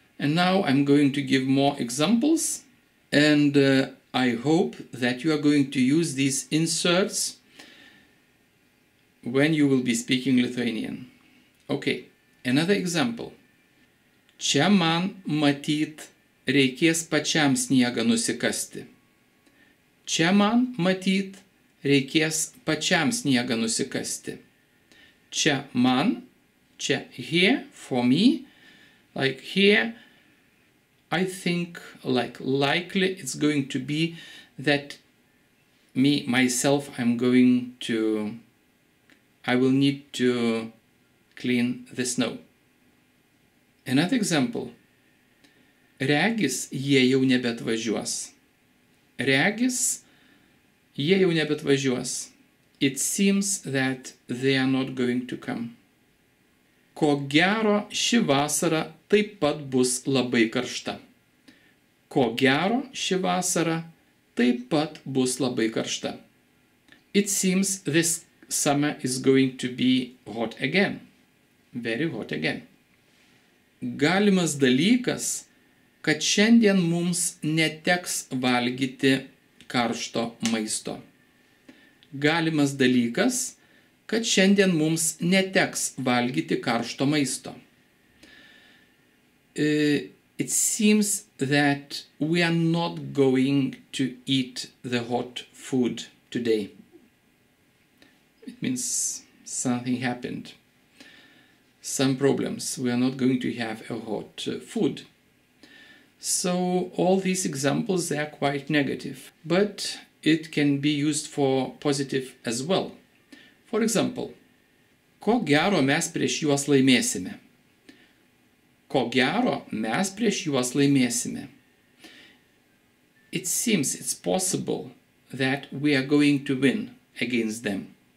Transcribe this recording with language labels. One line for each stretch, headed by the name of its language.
English: And now I'm going to give more examples. And I hope that you are going to use these inserts when you will be speaking Lithuanian. Okay, another example.
Lithuanian: Čia man matyt reikės pačiam sniegą nusikasti. Čia man matyt reikės pačiam sniegą nusikasti. Čia man, čia
English: here, for me, like here, I think, like likely, it's going to be that me, myself, I will need to clean the snow. Another example.
Lithuanian: Regis, jie jau nebetvažiuos. Regis, jie jau nebetvažiuos.
English: It seems that they are not going to come.
Lithuanian: Ko gero, ši vasara taip pat bus labai karšta. Ko gero, ši vasara taip pat bus labai karšta.
English: It seems this summer is going to be hot again. Very hot again.
Lithuanian: Galimas dalykas, kad šiandien mums neteks valgyti karšto maisto. Galimas dalykas, kad šiandien mums neteks valgyti karšto maisto.
English: It seems that we are not going to eat the hot food today. It means something happened. Some problems. We are not going to have a hot food. So all these examples are quite negative, but it can be used for positive as well. For example,
Lithuanian: ko gero mes prieš juos laimėsime. Ko gero mes prieš juos laimėsime.
English: It seems it's possible that we are going to win against them.